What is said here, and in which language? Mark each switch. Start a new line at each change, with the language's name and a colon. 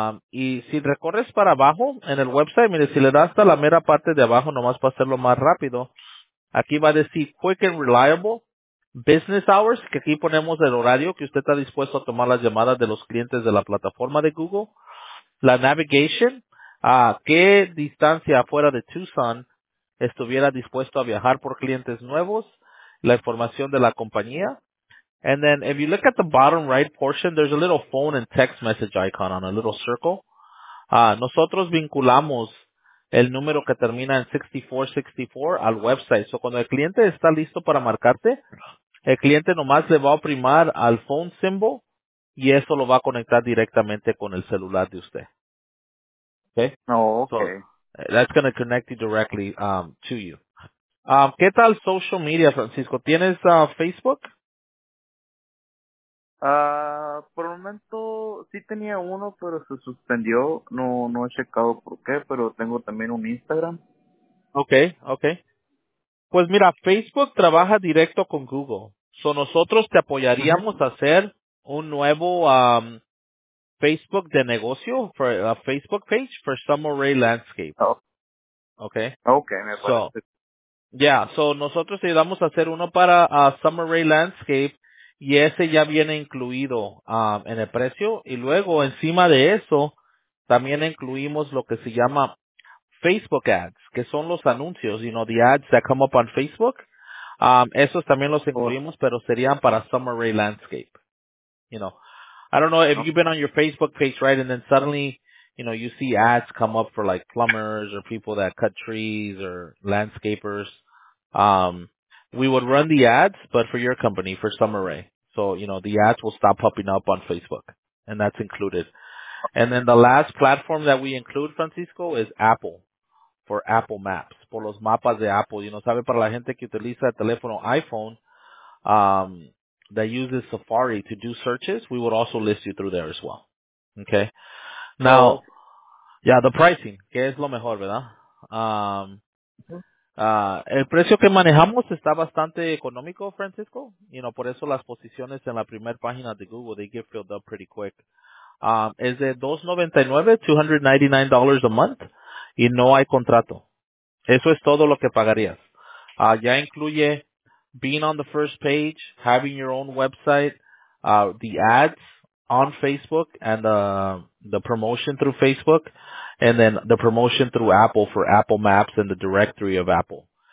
Spanish: Y si recorres para abajo en el website, mire, si le das hasta la mera parte de abajo, nomás para hacerlo más rápido, aquí va a decir Quick and Reliable Business Hours, que aquí ponemos el horario que usted está dispuesto a tomar las llamadas de los clientes de la plataforma de Google. La Navigation, qué distancia afuera de Tucson estuviera dispuesto a viajar por clientes nuevos. La información de la compañía.
English: And then, if you look at the bottom right portion, there's a little phone and text message icon on a little circle.
Spanish: Nosotros vinculamos el número que termina en 6464 al website. So, cuando el cliente está listo para marcarte, el cliente nomás le va a oprimar al phone symbol y eso lo va a conectar directamente con el celular de usted. Okay? No, oh, okay.
English: So, that's going to connect you directly to you.
Spanish: ¿Qué tal social media, Francisco? ¿Tienes Facebook? Por el momento sí tenía uno, pero se suspendió. No he checado por qué, pero tengo también un Instagram. Okay. Pues mira, Facebook trabaja directo con Google. So nosotros te apoyaríamos a hacer un nuevo Facebook de negocio,
English: for a Facebook page for Summer Ray Landscape. Oh. Okay.
Spanish: Okay, me parece. So nosotros te ayudamos a hacer uno para Summer Ray Landscape y ese ya viene incluido en el precio. Y luego encima de eso, también incluimos lo que se llama Facebook ads, que son los anuncios,
English: you know, the ads that come up on Facebook.
Spanish: Esos también los incluimos, pero serían para Summer Ray Landscape.
English: You know, I don't know if you've been on your Facebook page, right? And then suddenly, you know, you see ads come up for like plumbers or people that cut trees or landscapers. We would run the ads, but for your company, for Summer Ray. So, you know, the ads will stop popping up on Facebook and that's included. And then the last platform that we include, Francisco, is Apple, for Apple Maps,
Spanish: por los mapas de Apple.
English: You know,
Spanish: sabe, para la gente que utiliza el teléfono iPhone,
English: that uses Safari to do searches, we would also list you through there as well. Okay? Now, yeah, the pricing,
Spanish: que es lo mejor, ¿verdad? El precio que manejamos está bastante económico, Francisco. You know, por eso las posiciones en la primera página de Google,
English: they get filled up pretty quick.
Spanish: Es de $299
English: a month
Spanish: y no hay contrato. Eso es todo lo que pagarías. Ya incluye
English: being on the first page, having your own website, the ads on Facebook and the promotion through Facebook, and then the promotion through Apple for Apple Maps and the directory of Apple.